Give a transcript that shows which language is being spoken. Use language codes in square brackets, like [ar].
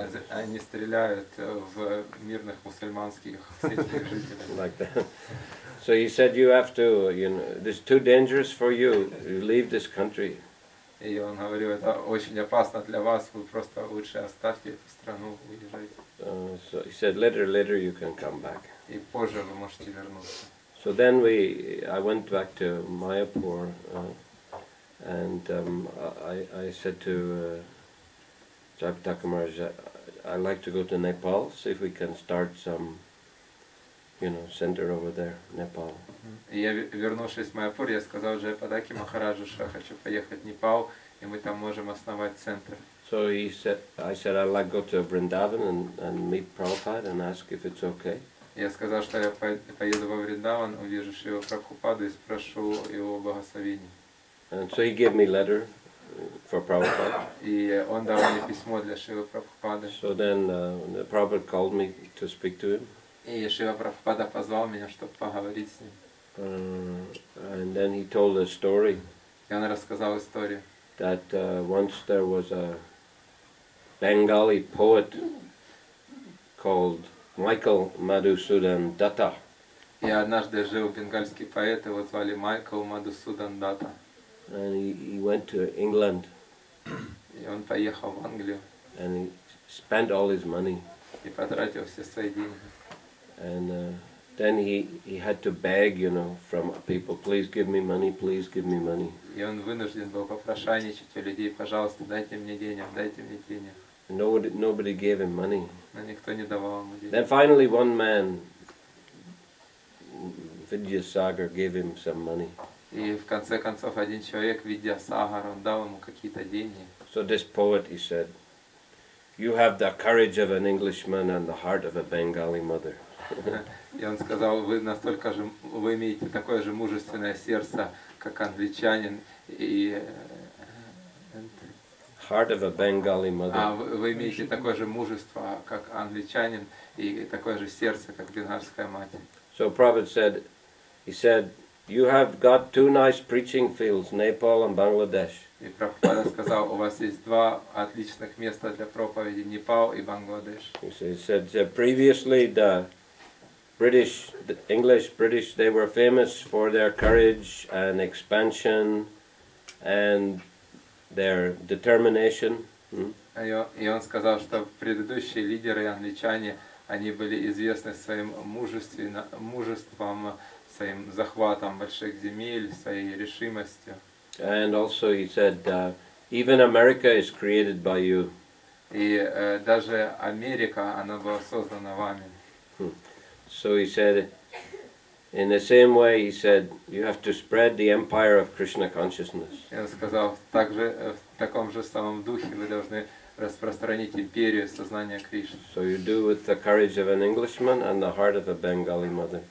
[ru] они стреляют в мирных мусульманских жителей. [en] So he said, you have to, you know, this is too dangerous for you, leave this country. [ru] И он говорил, это очень опасно для вас, вы просто лучше оставьте эту страну, уезжайте. [en] So he said, later you can come back. [ru] И позже вы можете вернуться. [en] So then I went back to Mayapur, I said to Jagtaka Maharaj, I'd like to go to Nepal, see if we can start some, you know, center over there, Nepal. [ru] И я, вернувшись в Майяпур, я сказал Джайпадаке Махараджу, что хочу поехать в Непал, и мы там можем основать центр. [en] So he said, I said, I'd like to go to Vrindavan and meet Prabhupada and ask if it's okay. [ru] Я сказал, что я поеду во Вриндаван, увижу Шрилу Прабхупаду и спрошу его благословения. [en] And so he gave me a letter for Prabhupada. [ru] И он дал мне письмо для Шрилы Прабхупады. [en] So then the Prabhupada called me to speak to him. [ru] И Шрила Прабхупада позвал меня, чтобы поговорить с ним. [en] And then he told a story. [ru] И он рассказал историю. [en] That once there was a Bengali poet called Michael Madhusudan Datta. [ru] И однажды жил бенгальский поэт, его звали Майкл Мадхусудан Датта. [en] And he went to England. [ru] И он поехал в Англию. [en] And he spent all his money. [ru] И потратил все свои деньги. [en] And then he had to beg, you know, from people, please give me money, please give me money. [ru] И он вынужден был попрошайничать у людей, пожалуйста, дайте мне денег, дайте мне денег. [en] Nobody gave him money. [ru] Но никто не давал ему денег. [en] Then finally one man, Vidyasagar, gave him some money. [ru] И в конце концов один человек, Vidyasagar, он дал ему какие-то деньги. [en] So this poet, he said, you have the courage of an Englishman and the heart of a Bengali mother. [ru] И он сказал, вы настолько же, вы имеете такое же мужественное сердце, как англичанин, и [en] heart of a Bengali mother. [ru] А вы имеете такое же мужество, как англичанин, и такое же сердце, как бенгальская мать. [en] So Prabhupada said, he said, you have got two nice preaching fields, Nepal and Bangladesh. [ru] И Прабхупада сказал, у вас есть два отличных места для проповеди, Непал и Бангладеш. [en] He said, previously the British, the English British, they were famous for their courage and expansion and their determination. [ru] И он сказал, что предыдущие лидеры англичане, они были известны своим мужеством, своим захватом больших земель, своей решимостью. [en] And also he said, even America is created by you. [ru] И даже Америка, она была создана вами. [en] So he said, in the same way, he said, you have to spread the empire of Krishna consciousness. [ru] И он сказал, также в таком же самом духе вы должны распространить империю сознания Кришны. [en] So you do with the courage of an Englishman and the heart of a Bengali mother.